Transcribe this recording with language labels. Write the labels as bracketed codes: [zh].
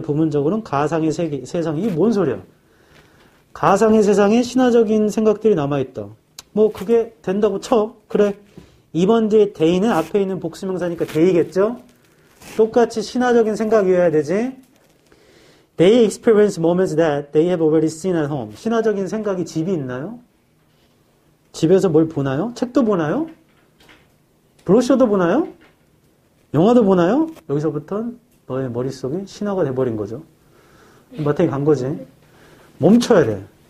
[ko] 부분적으로는 가상의 세상. 이게 뭔 소리야? 가상의 세상에 신화적인 생각들이 남아있다. 뭐 그게 된다고 쳐. 그래. 2번 뒤에 they는 앞에 있는 복수명사니까 they겠죠? 똑같이 신화적인 생각이어야 되지. [en] They experience moments that they have already seen at home. [ko] 신화적인 생각이 집이 있나요? 집에서 뭘 보나요? 책도 보나요? 브로셔도 보나요? 영화도 보나요? 여기서부터는 너의 머릿속이 신화가 돼버린 거죠. 마태이 간 거지. 멈춰야 돼.